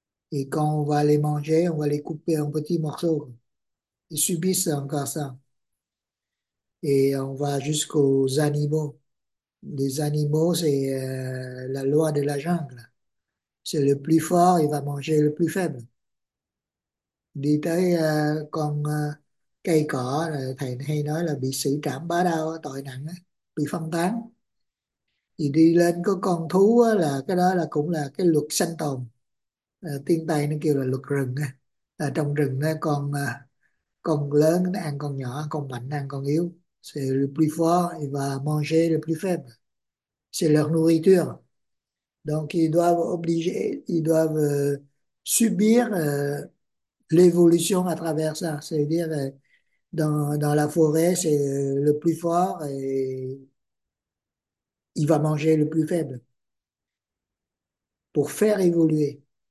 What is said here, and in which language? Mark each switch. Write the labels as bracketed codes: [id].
[fr] Et quand on va les manger, on va les couper en petits morceaux. Ils subissent encore ça. Et on va jusqu'aux animaux. Les animaux, c'est la loi de la jungle. C'est le plus fort, il va manger le plus faible. [vi] Đi tới con cây cỏ, thầy hay nói là bị sử trảm bá đao, tội nặng, bị phân tán. Thì đi lên có con thú là cái đó là cũng là cái luật sinh tồn. Tiếng Tây nó kêu là luật rừng. Trong rừng con lớn nó ăn con nhỏ, con mạnh ăn con yếu. [fr] C'est le plus fort et va manger le plus faible. C'est leur nourriture. Donc ils doivent obliger, ils doivent subir l'évolution à travers ça. C'est-à-dire dans la forêt, c'est le plus fort et il va manger le plus faible pour faire évoluer.